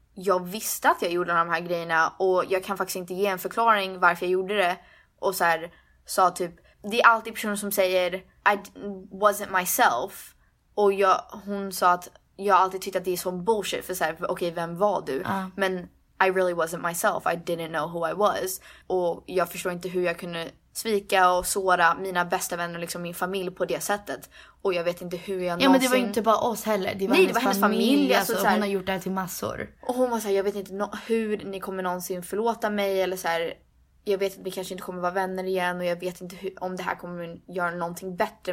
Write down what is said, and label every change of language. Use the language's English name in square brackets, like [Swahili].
[Swedish] Jag visste att jag gjorde de här grejerna och jag kan faktiskt inte ge en förklaring varför jag gjorde det. Och så här, sa typ, det är alltid personer som säger, [English] I wasn't myself. [Swedish] Och hon sa att jag alltid tyckte att det är sån bullshit för så här, okej, vem var du? [English] Men I really wasn't myself, I didn't know who I was. [Swedish] Och jag förstår inte hur jag kunde svika och såra mina bästa vänner och liksom min familj på det sättet. Och jag vet inte hur jag någonsin... Ja, men det var inte bara oss heller. Det var, nej, det var hennes familj. Alltså, så här... Hon har gjort det här till massor. Och hon var så här, jag vet inte hur ni kommer någonsin förlåta mig. Eller så här, jag vet att vi kanske inte kommer vara vänner igen. Och jag vet inte om det här kommer göra någonting bättre.